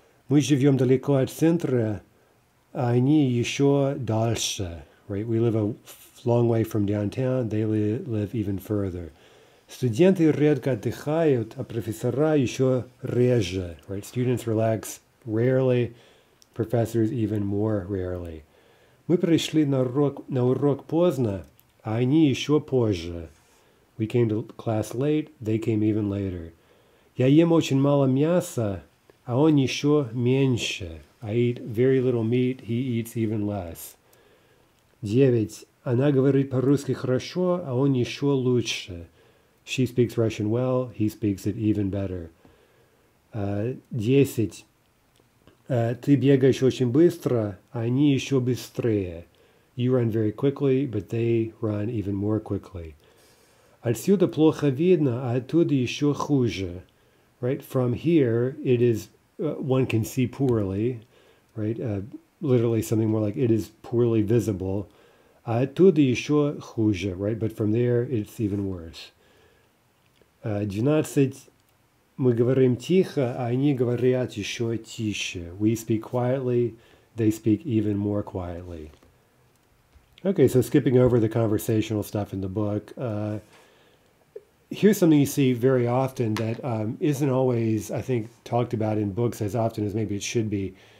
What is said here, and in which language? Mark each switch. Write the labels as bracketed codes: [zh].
[ru] Мы живем далеко от центра, а они еще дальше, [en] right? We live a long way from downtown, they live even further. [ru] Студенты редко отдыхают, а профессора еще реже, right? [en] Students relax rarely, professors even more rarely. [ru] Мы пришли на урок поздно, а они еще позже. [en] We came to class late, they came even later. [ru] Я ем очень мало мяса, а он еще меньше. [en] I eat very little meat, he eats even less. 9. [ru] Она говорит по-русски хорошо, а он еще лучше. [en] She speaks Russian well, he speaks it even better. 10. [ru] Ты бегаешь очень быстро, а они еще быстрее. [en] You run very quickly, but they run even more quickly. [ru] Отсюда плохо видно, а оттуда еще хуже. [en] Right, from here, it is, one can see poorly, right? literally something more like it is poorly visible. To the Yeshua Huja, right? But from there, it's even worse. [ru] 12, мы говорим тихо, а они говорят еще тише. [en] We speak quietly, they speak even more quietly. Okay, so skipping over the conversational stuff in the book, here's something you see very often that isn't always, I think, talked about in books as often as maybe it should be.